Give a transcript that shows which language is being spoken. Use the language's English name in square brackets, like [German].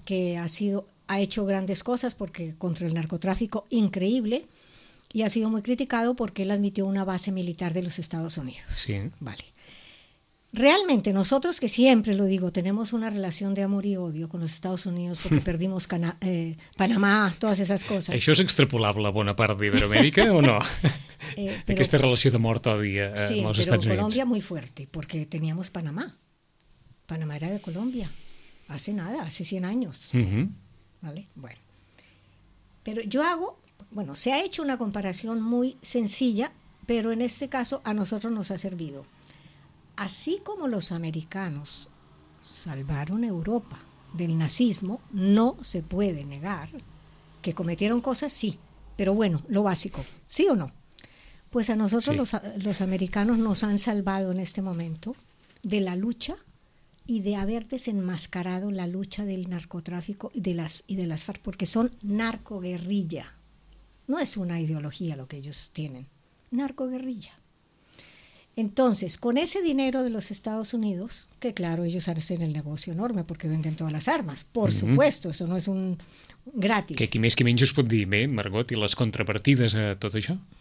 [Spanish] que ha hecho grandes cosas porque contra el narcotráfico, increíble, y ha sido muy criticado porque él admitió una base militar de los Estados Unidos. Sí. Vale. Realmente nosotros, que siempre lo digo, tenemos una relación de amor y odio con los Estados Unidos porque perdimos Panamá, todas esas cosas. [Catalan] ¿Això és extrapolable a bona part d'Iberoamèrica o no? Però, aquesta relació de mort-odi amb els Estats Units. [Spanish] Sí, pero Colombia muy fuerte porque teníamos Panamá. Panamá era de Colombia hace nada, hace 100 años. Uh-huh. ¿Vale? Bueno. Pero yo hago, bueno, se ha hecho una comparación muy sencilla, pero en este caso a nosotros nos ha servido. Así como los americanos salvaron Europa del nazismo, no se puede negar que cometieron cosas, sí, pero bueno, lo básico, ¿sí o no? Pues a nosotros, sí, los americanos nos han salvado en este momento de la lucha y de haber desenmascarado la lucha del narcotráfico y de las FARC, porque son narcoguerrilla. No es una ideología lo que ellos tienen, narcoguerrilla. Entonces, con ese dinero de los Estados Unidos, que claro, ellos hacen el negocio enorme porque venden todas las armas, por uh-huh. supuesto, eso no es un gratis. [Catalan] Que qui més qui menys us pot dir, Margot, i les contrapartides a tot això?